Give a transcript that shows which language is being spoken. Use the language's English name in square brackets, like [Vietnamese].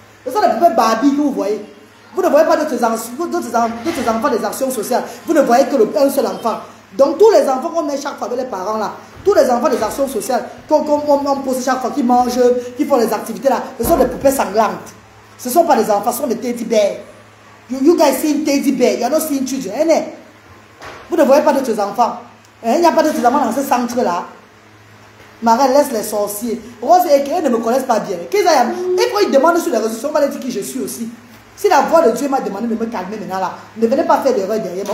[French] Ce sont les poupées Barbie que vous voyez. Vous ne voyez pas d'autres enfants des actions sociales. Vous ne voyez que un seul enfant. Donc tous les enfants qu'on met chaque fois de les parents là, tous les enfants des actions sociales qu'on pose chaque fois, qui mangent, qui font les activités là, ce sont des poupées sanglantes. Ce ne sont pas des enfants, ce sont des teddy bears. [English] You guys see teddy bear, you're not seeing children. [French] Vous ne voyez pas d'autres enfants. Il n'y a pas d'autres enfants dans ce centre-là. Marie, laisse les sorciers. Rose et Eke, ils ne me connaissent pas bien. Et quand ils demandent sur les réseaux, on va leur dire qui je suis aussi. Si la voix de Dieu m'a demandé de me calmer maintenant là, ne venez pas faire d'erreur derrière.